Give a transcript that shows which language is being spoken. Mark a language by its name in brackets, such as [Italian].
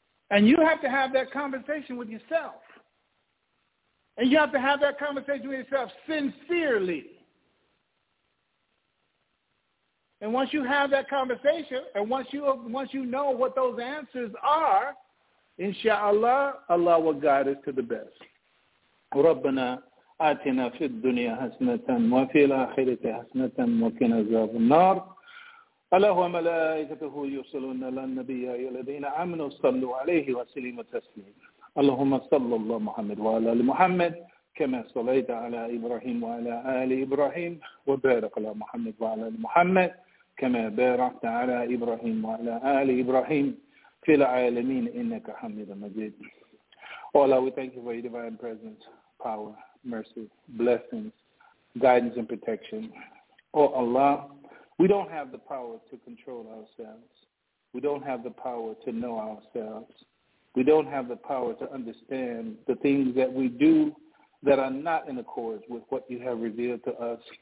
[English] And you have to have that conversation with yourself. And you have to have that conversation with yourself sincerely. And once you have that conversation, and once you know what those answers are, inshallah, Allah will guide us to the best. [Arabic] ربنا آتنا في الدنيا حسنة وفي الآخرة حسنة وقنا عذاب النار. الله وملائكته يصلون على النبي يا الذين آمنوا صلوا عليه وسلموا تسليما. اللهم صل الله محمد وعلى آل محمد كما صليت على إبراهيم وعلى آل إبراهيم وبارك على محمد وعلى آل محمد كما باركت على إبراهيم وعلى آل إبراهيم في العالمين إنك حميد مجيد. [English] Oh Allah, we thank you for your divine presence, power, mercy, blessings, guidance, and protection. Oh Allah, we don't have the power to control ourselves. We don't have the power to know ourselves. We don't have the power to understand the things that we do that are not in accord with what you have revealed to us.